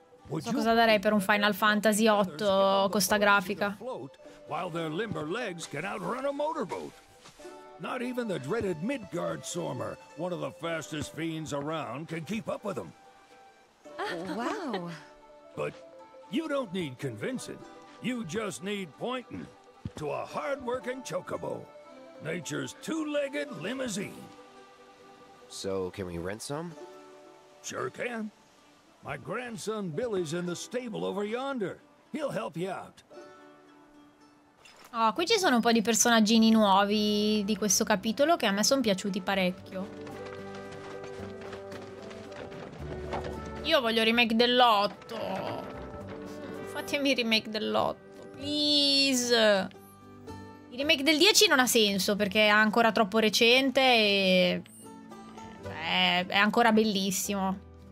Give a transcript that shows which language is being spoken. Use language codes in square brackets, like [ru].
[it] Non so cosa darei per un Final Fantasy 8 con sta grafica. [en] While their limber legs can outrun a motorboat. Not even the dreaded Midgard Sormer, one of the fastest fiends around, can keep up with them. Wow. But you don't need convincing. You just need pointing. To a hard-working chocobo, nature's two-legged limousine. So, can we rent some? Sure can. My grandson Billy's in the stable over yonder. He'll help you out. [it] Oh, qui ci sono un po' di personaggini nuovi di questo capitolo che a me sono piaciuti parecchio. Io voglio remake dell'8. Fatemi remake dell'8, please. Il remake del 10 non ha senso perché è ancora troppo recente e è ancora bellissimo.